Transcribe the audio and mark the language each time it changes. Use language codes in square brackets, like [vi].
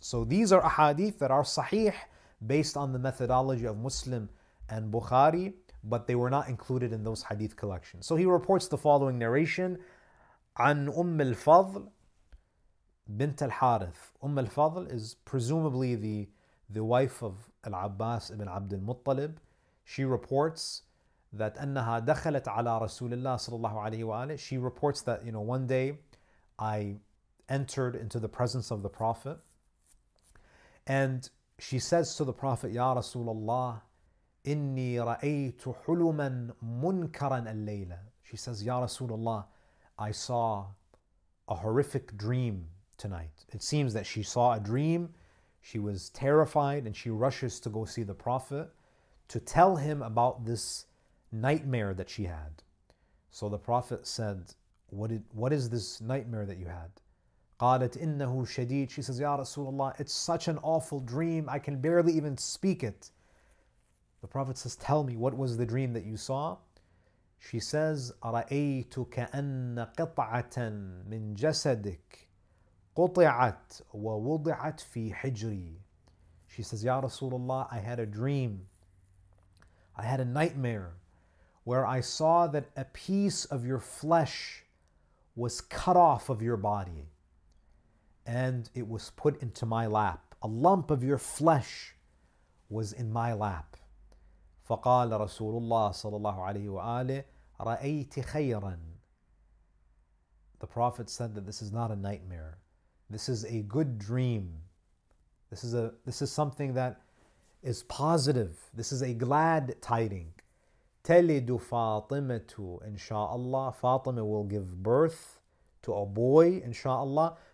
[en] So these are ahadith that are sahih based on the methodology of Muslim and Bukhari, but they were not included in those hadith collections. So he reports the following narration, عن أم الفضل بنت الحارث. أم الفضل is presumably the wife of Al-Abbas ibn Abd al-Muttalib. [ar] She reports that أنها دخلت على رسول الله صلى الله عليه وآله. [en] She reports that, you know, one day I entered into the presence of the Prophet. And she says to the Prophet, Ya Rasulullah, إني رأيت حلما منكرا الليلة. She says, Ya Rasulullah, I saw a horrific dream tonight. It seems that she saw a dream. She was terrified and she rushes to go see the Prophet to tell him about this nightmare that she had. So the Prophet said, what is this nightmare that you had? [ar] قالت إنه شديد. [en] She says, Ya Rasulullah, it's such an awful dream. I can barely even speak it. The Prophet says, tell me, what was the dream that you saw? [ar] She says, أرأيت كأن قطعة من جسدك قطعت ووضعت في حجري. [en] She says, Ya Rasulullah, I had a dream. I had a nightmare where I saw that a piece of your flesh was cut off of your body and it was put into my lap. A lump of your flesh was in my lap. [ar] فقال رسول الله صلى الله عليه وآله رأيت خيرا. [en] The Prophet said that this is not a nightmare. This is a good dream. This is something that is positive. This is a glad tiding. تَلِدُ فَاطِمَةُ إِنْ شَاءَ اللَّهِ. Fatima will give birth to a boy, inshaAllah.